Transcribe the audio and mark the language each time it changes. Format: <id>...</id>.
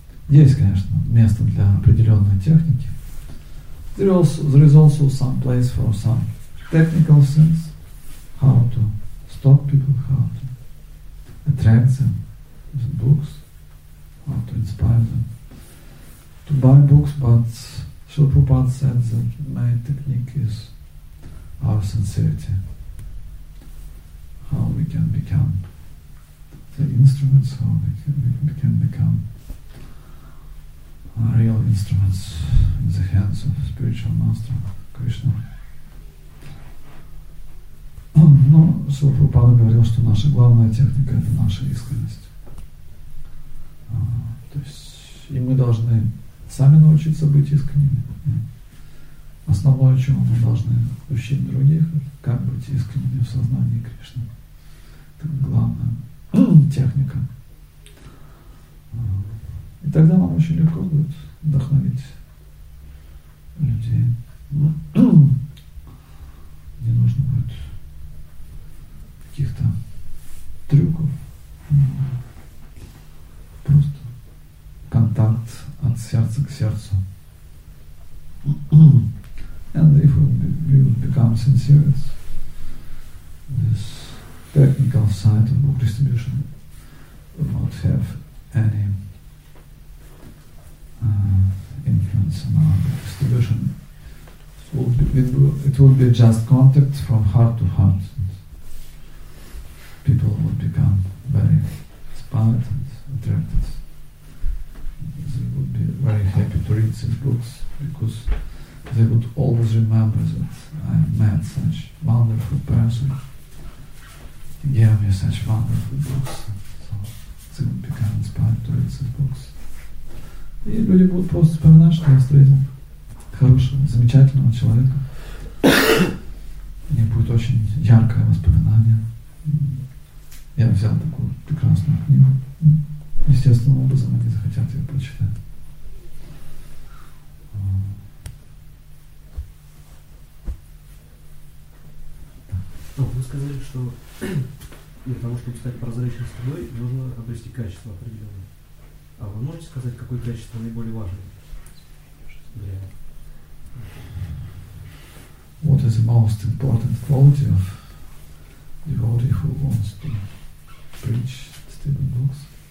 <ru>Есть, конечно, место для определенной техники.</ru> <en>There is also some place for some technical things. How to stop people, how to attract them with books, how to inspire them to buy books, but Srila Prabhupada said that my technique is our sincerity. How we can become the instruments, how we can become real instruments in the hands of the spiritual master, Krishna.</en> <ru>Но Шрила Прабхупада говорил, что наша главная техника – это наша искренность. То есть, и мы должны сами научиться быть искренними. Основное, чего мы должны учить других – это как быть искренними в сознании Кришны. Главная техника. И тогда нам очень легко будет вдохновить людей. Не нужно будет каких-то трюков. Просто контакт от сердца к сердцу.</ru> <en>And if we would become sincere, this technical side of book distribution would not have any influence on our book distribution. It would be just contact from heart to heart. And people would become very inspired and attracted. They would be very happy to read these books because they would always remember that I met such wonderful person. Give me such wonderful books. So they would become inspired to read these books.</en> <ru>И люди будут просто вспоминать, что я встретил хорошего, замечательного человека. У них будет очень яркое воспоминание. Я взял такую прекрасную книгу. Естественным образом они захотят ее прочитать. сказали, что для того, чтобы стать прозрачным струной, нужно обрести качество определенное. А вы можете сказать, какое качество наиболее важное?</ru> <en>What is the most important quality of devotee who wants to preach Stephen Books?</en>